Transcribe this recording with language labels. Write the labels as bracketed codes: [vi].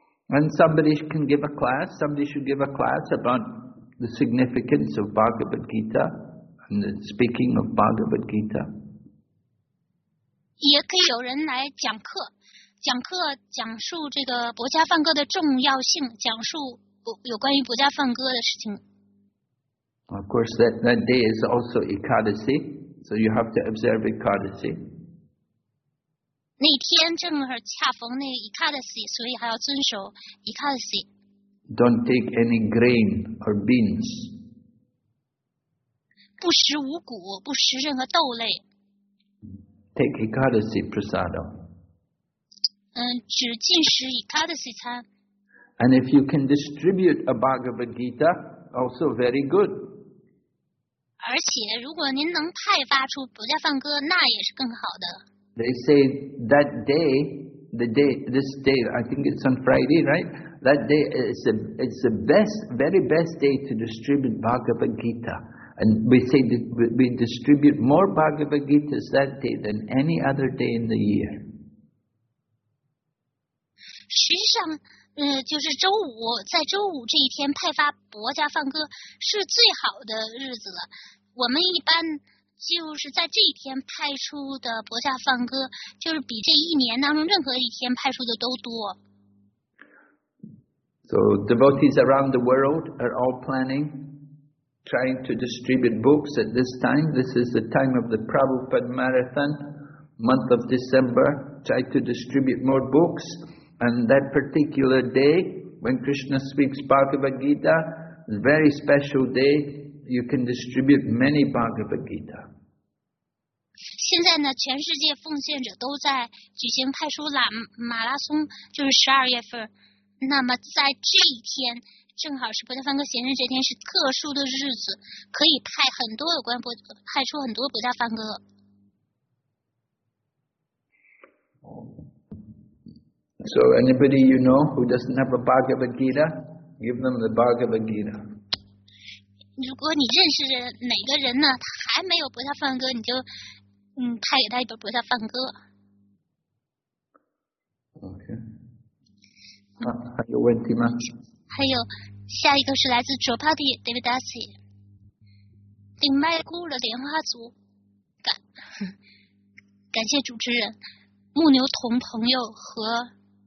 [en] And somebody can give a class, somebody should give a class about the significance of Bhagavad Gita and the speaking of Bhagavad Gita. [zh] 也可以有人来讲课讲述这个博家梵歌的重要性，讲述有关于博家梵歌的事情。 [en] Of course, that day is also Ekadasi. So you have to observe Ekadasi. [zh] 那天正好恰逢那 Ekadasi, 所以还要遵守 Ekadasi. [en] Don't take any grain or beans. [zh] 不食五谷，不食任何豆类。 [en] Take Ekadasi prasada. [zh] 只进食 Ekadasi 餐。 [en] And if you can distribute a Bhagavad Gita, also very good. [zh] 而且如果您能派发出博家梵歌，那也是更好的。 [en] They say that day, the day, this day, I think it's on Friday, right? That day is the best, very best day to distribute Bhagavad Gita. And we say that we distribute more Bhagavad Gita that day than any other day in the year. [zh] 实际上，就是周五，在周五这一天派发博家梵歌是最好的日子了。我们一般就是在这一天派出的博家梵歌，就是比这一年当中任何一天派出的都多。 [en] So devotees around the world are all planning, trying to distribute books at this time. This is the time of the Prabhupada Marathon, month of December. Try to distribute more books. And that particular day, when Krishna speaks Bhagavad Gita, very special day, you can distribute many Bhagavad Gita. [zh] 现在呢，全世界奉献者都在举行派出马拉松，就是12月份。那么在这一天，正好是博家梵歌显现这天，是特殊的日子，可以派很多有关派出很多博家梵歌。 [en] So anybody you know who doesn't have a Bhagavad Gita, give them the Bhagavad Gita. [zh] 如果你认识哪个人呢，他还没有博家梵歌，你就派给他一本博家梵歌。 [en] Okay. [zh] 还有问题吗？还有，下一个是来自 Jopati Devadasi， 顶麦姑的莲花族，感谢主持人、牧牛童朋友和。